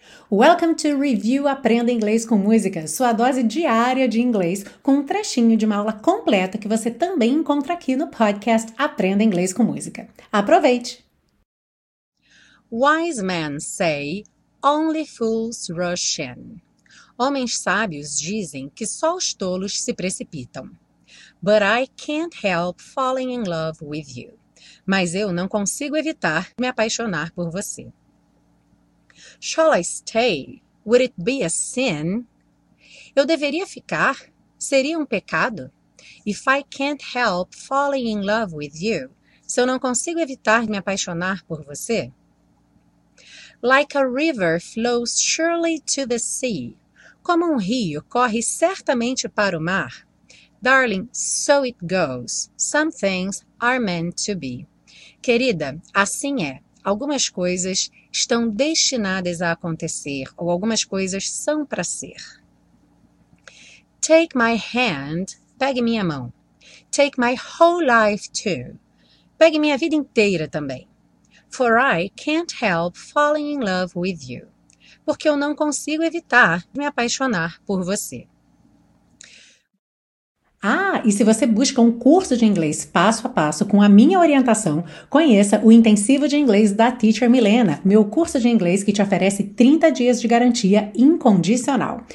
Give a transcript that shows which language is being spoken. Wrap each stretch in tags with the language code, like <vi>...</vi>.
<en>Welcome to Review</en> <pt>Aprenda Inglês com Música, sua dose diária de inglês, com um trechinho de uma aula completa que você também encontra aqui no podcast Aprenda Inglês com Música. Aproveite!</pt> <en>Wise men say, only fools rush in.</en> <pt>Homens sábios dizem que só os tolos se precipitam.</pt> <en>But I can't help falling in love with you.</en> <pt>Mas eu não consigo evitar me apaixonar por você.</pt> <en>Shall I stay? Would it be a sin?</en> <pt>Eu deveria ficar? Seria um pecado? If I can't help falling in love with you, se eu não consigo evitar me apaixonar por você?</pt> <en>Like a river flows surely to the sea.</en> <pt>Como um rio corre certamente para o mar.</pt> <en>Darling, so it goes. Some things are meant to be.</en> <pt>Querida, assim é. Algumas coisas estão destinadas a acontecer, ou algumas coisas são para ser.</pt> <en>Take my hand,</en> <pt>pegue minha mão.</pt> <en>Take my whole life too.</en> <pt>Pegue minha vida inteira também.</pt> <en>For I can't help falling in love with you.</en> <pt>Porque eu não consigo evitar me apaixonar por você. Ah, e se você busca um curso de inglês passo a passo com a minha orientação, conheça o Intensivo de Inglês da Teacher Milena, meu curso de inglês que te oferece 30 dias de garantia incondicional.</pt>